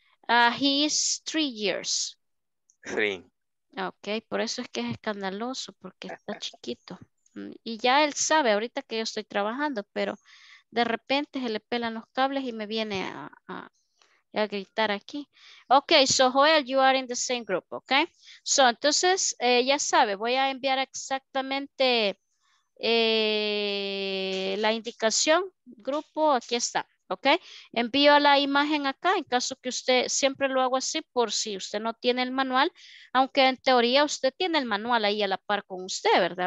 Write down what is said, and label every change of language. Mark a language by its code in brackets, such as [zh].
[en] He is 3 years. 3. [es] Ok, por eso es que es escandaloso, porque está chiquito. Y ya él sabe ahorita que yo estoy trabajando, pero de repente se le pelan los cables y me viene a gritar aquí. [en] Ok, so Joel, you are in the same group, ok. [es] So, entonces, ya sabe, voy a enviar exactamente la indicación, grupo, aquí está, ok. Envío la imagen acá, en caso que usted, siempre lo hago así por si usted no tiene el manual, aunque en teoría usted tiene el manual ahí a la par con usted, ¿verdad?